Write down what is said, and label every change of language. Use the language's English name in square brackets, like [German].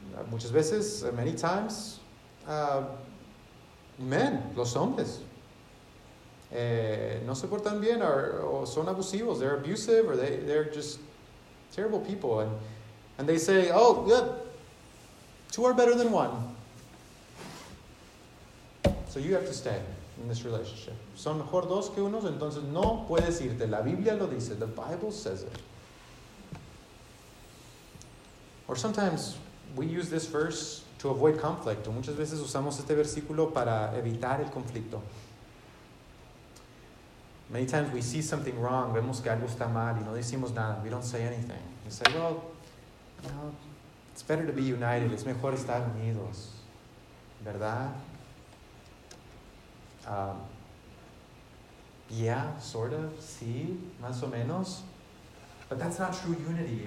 [Spanish] Muchas veces, [English] many times, men, [Spanish] los hombres, no se portan bien o son abusivos. [English] They're abusive or they're just terrible people. And they say, oh, yeah, two are better than one. So you have to stay in this relationship. [Spanish] Son mejor dos que unos, entonces no puedes irte. La Biblia lo dice. [English] The Bible says it. Or sometimes we use this verse to avoid conflict. [Spanish] Muchas veces usamos este versículo para evitar el conflicto. [English] Many times we see something wrong. [Spanish] Vemos que algo está mal y no decimos nada. [English] We don't say anything. We say, well, no, it's better to be united. [Spanish] Es mejor estar unidos. ¿Verdad? [English] Yeah, sort of. [Spanish] Sí, más o menos. [English] But that's not true unity.